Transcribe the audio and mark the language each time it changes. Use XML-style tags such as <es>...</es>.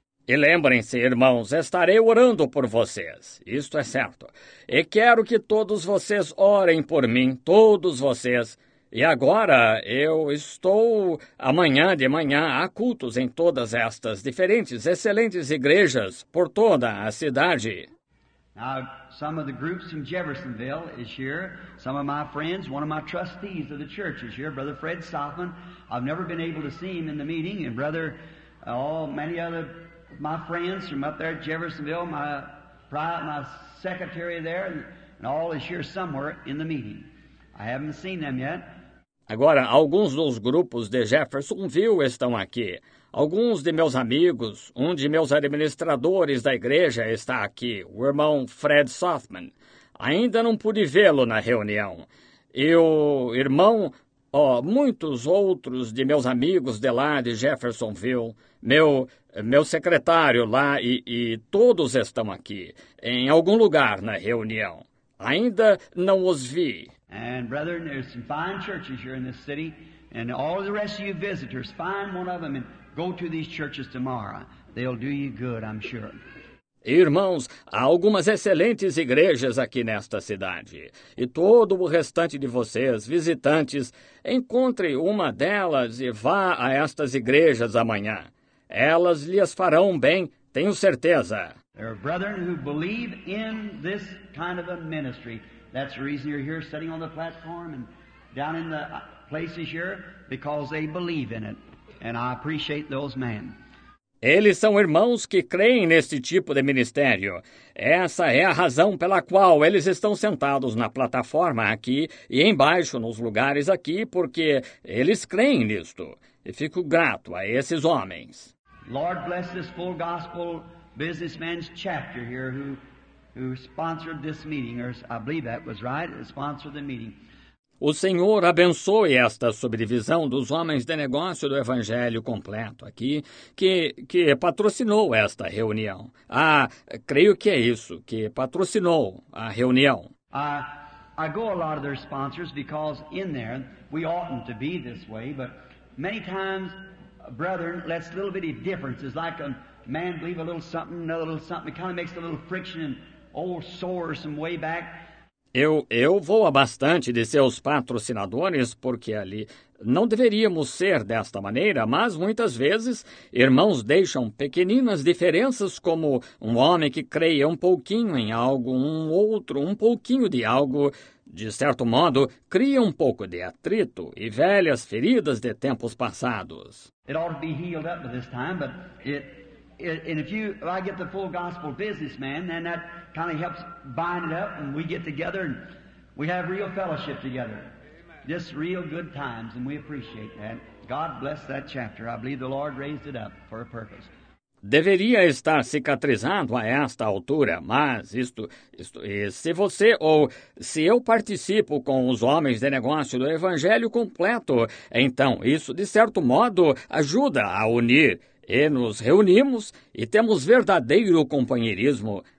<pt>E lembrem-se, irmãos, estarei orando por vocês. Isto é certo. E quero que todos vocês orem por mim, todos vocês. E agora eu estou amanhã de manhã a cultos em todas estas diferentes, excelentes igrejas por toda a cidade.</pt> <en>Now, some of the groups from Jeffersonville is here. Some of my friends, one of my trustees of the church is here, Brother Fred Soffman. I've never been able to see him in the meeting, and Brother, many other my friends from up there at Jeffersonville, my secretary there, and all is here somewhere in the meeting. I haven't seen them yet.</en> <pt>Agora, alguns dos grupos de Jeffersonville estão aqui. Alguns de meus amigos, um de meus administradores da igreja está aqui, o irmão Fred Softman. Ainda não pude vê-lo na reunião. E o irmão, muitos outros de meus amigos de lá de Jeffersonville, meu secretário lá e todos estão aqui, em algum lugar na reunião. Ainda não os vi.</pt> <en>And brethren, there's some fine churches here in this city, and all the rest of you visitors, find one of them and go to these churches tomorrow. They'll do you good, I'm sure.</en> <pt>Irmãos, há algumas excelentes igrejas aqui nesta cidade. E todo o restante de vocês, visitantes, encontre uma delas e vá a estas igrejas amanhã. Elas lhes farão bem, tenho certeza.</pt> <en>There are brethren who believe in this kind of a ministry. That's the reason you're here sitting on the platform and down in the places here, because they believe in it. And I appreciate those men.</en> <pt>Eles são irmãos que creem neste tipo de ministério. Essa é a razão pela qual eles estão sentados na plataforma aqui e embaixo nos lugares aqui, porque eles creem nisto. E fico grato a esses homens.</pt> <en>Lord bless this full gospel businessman's chapter here who sponsored this meeting, or I believe that was right, sponsored the meeting.</en> <pt>O Senhor abençoe esta subdivisão dos homens de negócio do Evangelho completo aqui, que patrocinou esta reunião. Ah, creio que é isso, que patrocinou a reunião.</pt> <en>I go a lot of their sponsors because in there we oughtn't to be this way, but many times, brethren, let's little bitty differences, like a man believe a little something, another little something, it kind of makes a little friction and old sores from way back.</en> <pt>Eu vou a bastante de seus patrocinadores, porque ali não deveríamos ser desta maneira, mas muitas vezes irmãos deixam pequeninas diferenças, como um homem que creia um pouquinho em algo, um outro um pouquinho de algo, de certo modo, cria um pouco de atrito e velhas feridas de tempos passados.</pt> <en>It ought to be healed up by this time, but if I get the full gospel businessman, then that kind of helps bind it up, and we get together and we have real fellowship together. Amen. Just real good times, and we appreciate that. God bless that chapter. I believe the Lord raised it up for a purpose.</en> <pt>Deveria estar cicatrizado a esta altura, mas isto e se você ou se eu participo com os homens de negócio do Evangelho completo, então isso de certo modo ajuda a unir. E nos reunimos e temos verdadeiro companheirismo.</pt>